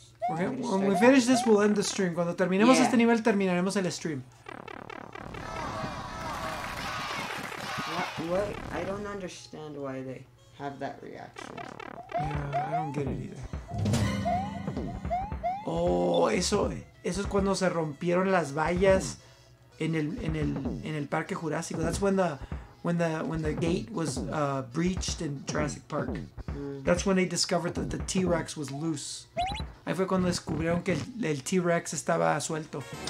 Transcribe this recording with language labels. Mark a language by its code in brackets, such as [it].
[en] When we finish this, we'll end the stream. [es] Cuando terminemos este nivel, terminaremos el stream. [en] What? I don't understand why they have that reaction. Yeah, I don't get it either. [es] Oh, eso es cuando se rompieron las vallas en el Parque Jurásico. [en] That's when the gate was breached in Jurassic Park. That's when they discovered that the T-Rex was loose. [es] Ahí fue cuando descubrieron que el T-Rex estaba suelto.